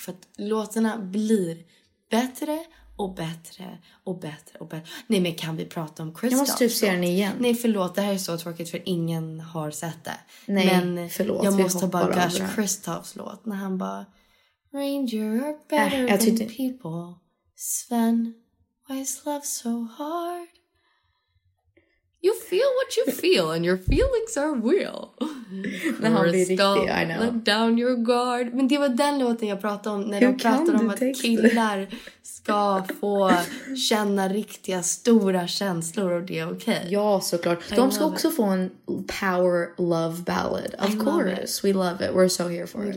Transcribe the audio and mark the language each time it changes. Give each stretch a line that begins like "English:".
Swedish: För att låtarna blir bättre och bättre och bättre och bättre. Nej, men kan vi prata om Kristoff? Jag måste typ se den igen. Nej, förlåt. Det här är så tråkigt för ingen har sett det. Nej, men förlåt. Jag måste bara gush Kristoffs låt när han bara,
English: Ranger are better than people. Sven, why is love so hard? You feel what you feel, and your feelings are real.
Swedish: När han blir riktig,
English: I know. Let down your guard.
Swedish: Men det var den låten jag pratade om när jag pratade om att killar ska få känna riktiga stora känslor, och det är okej. Ja, såklart. De ska också få en power love ballad.
English: Of course, we love it. We're so here for it.